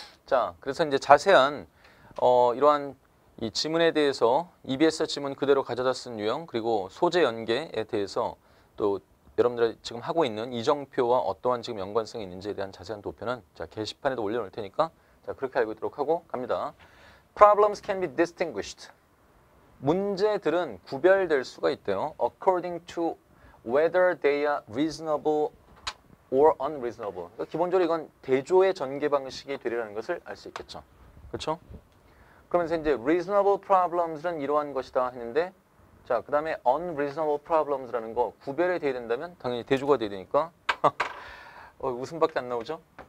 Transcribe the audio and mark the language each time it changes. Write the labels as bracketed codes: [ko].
[ko] 자, 그래서 이제 자세한 이러한 이 지문에 대해서 EBS 지문 그대로 가져다 쓴 유형 그리고 소재 연계에 대해서 또 여러분들이 지금 하고 있는 이정표와 어떠한 지금 연관성이 있는지에 대한 자세한 도표는 자 게시판에도 올려놓을 테니까 자 그렇게 알고 있도록 하고 갑니다. [en] Problems can be distinguished. [ko] 문제들은 구별될 수가 있대요. [en] According to whether they are reasonable or unreasonable. [ko] 그러니까 기본적으로 이건 대조의 전개 방식이 되리라는 것을 알 수 있겠죠. 그렇죠? 그러면서 이제 reasonable problems는 이러한 것이다 했는데 자, 그 다음에 unreasonable problems라는 거 구별이 돼야 된다면 당연히 대조가 돼야 되니까 웃음밖에 안 나오죠?